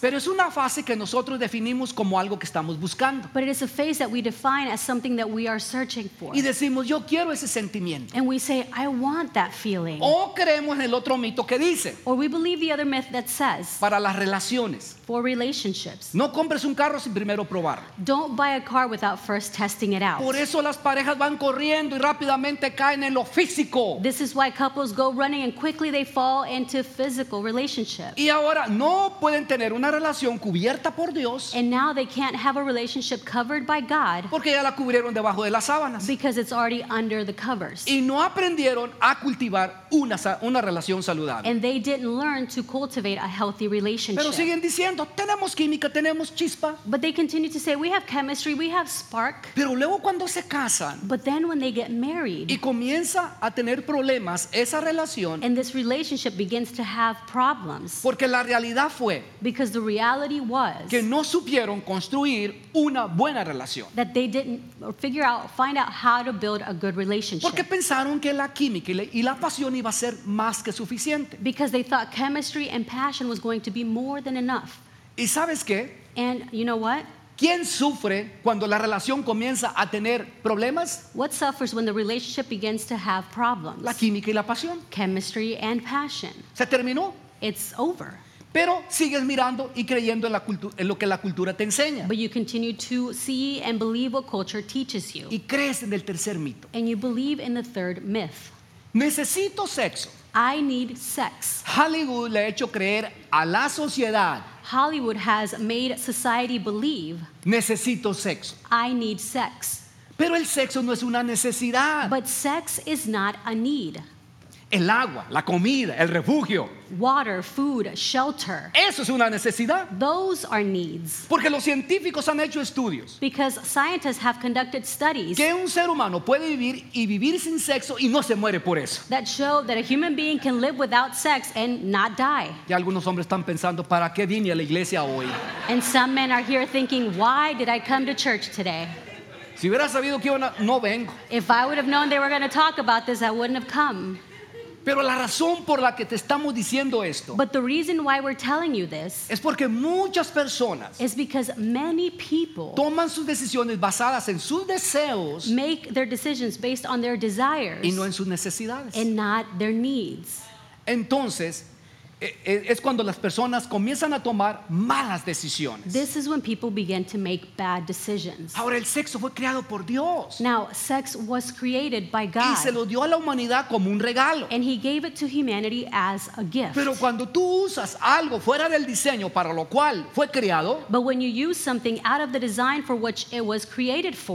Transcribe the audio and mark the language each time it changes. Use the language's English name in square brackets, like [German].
[Spanish] Pero es una fase que nosotros definimos como algo que estamos buscando. [English] But it is a phase that we define as something that we are searching for. [Spanish] Y decimos, yo quiero ese sentimiento. [English] And we say, I want that feeling. [Spanish] O creemos en el otro mito que dice. [English] Or we believe the other myth that says. [Spanish] Para las relaciones. [English] For relationships. [Spanish] No compres un carro sin primero probarlo. [English] Don't buy a car without first testing it out. [Spanish] Por eso las parejas van corriendo y rápidamente caen en lo físico. [English] This is why couples go running and quickly they fall into physical relationships. [Spanish] Y ahora no pueden tener una relación cubierta por Dios. [English] And now they can't have a relationship covered by God. [Spanish] Porque ya la cubrieron debajo de las sábanas. [English] Because it's already under the covers. [Spanish] Y no aprendieron a cultivar una relación saludable. [English] And they didn't learn to cultivate a healthy relationship. [Spanish] Pero siguen diciendo, tenemos química, tenemos chispa. [English] But they continue to say, we have chemistry, we have spark. [Spanish] Pero luego cuando se casan, [English] but then when they get married, [Spanish] y comienza a tener problemas esa relación, [English] and this relationship begins to have problems, [Spanish] porque la realidad fue, [English] because the reality was, [Spanish] que no supieron construir una buena relación, [English] that they didn't find out how to build a good relationship, [Spanish] porque pensaron que la química y la pasión iba a ser más que suficiente, [English] because they thought chemistry and passion was going to be more than enough. [Spanish] ¿Y sabes qué? [English] And you know what? [Spanish] ¿Quién sufre cuando la relación comienza a tener problemas? [English] What suffers when the relationship begins to have problems? [Spanish] La química y la pasión. [English] Chemistry and passion. [Spanish] ¿Se terminó? [English] It's over. [Spanish] Pero sigues mirando y creyendo en la en lo que la cultura te enseña. [English] But you continue to see and believe what culture teaches you. [Spanish] Y crees en el tercer mito. [English] And you believe in the third myth. [Spanish] Necesito sexo. [English] I need sex. [Spanish] Hollywood le ha hecho creer a la sociedad. [English] Hollywood has made society believe. [Spanish] Necesito sexo. [English] I need sex. [Spanish] Pero el sexo no es una necesidad. [English] But sex is not a need. [Spanish] El agua, la comida, el refugio. [English] Water, food, shelter. [Spanish] Eso es una necesidad. [English] Those are needs. [Spanish] Porque los científicos han hecho estudios. [English] Because scientists have conducted studies. [Spanish] Que un ser humano puede vivir y vivir sin sexo y no se muere por eso. [English] That show that a human being can live without sex and not die. [Spanish] Y algunos hombres están pensando, ¿para qué vine a la iglesia hoy? [English] And some men are here thinking, why did I come to church today? [Spanish] Si hubiera sabido que iban a, no vengo. [English] If I would have known they were going to talk about this, I wouldn't have come. [Spanish] Pero la razón por la que te estamos diciendo esto, [English] but the reason why we're telling you this, [Spanish] es porque muchas personas, [English] is because many people, [Spanish] toman sus decisiones basadas en sus deseos, [English] make their decisions based on their desires, [Spanish] y no en sus necesidades, [English] and not their needs. [Spanish] Entonces, es cuando las personas comienzan a tomar malas decisiones. [English] This is when people begin to make bad decisions. [Spanish] Ahora el sexo fue creado por Dios. [English] Now sex was created by God. [Spanish] Y se lo dio a la humanidad como un regalo. [English] And he gave it to humanity as a gift. [Spanish] Pero cuando tú usas algo fuera del diseño para lo cual fue creado, [English] but when you use something out of the design for which it was created for,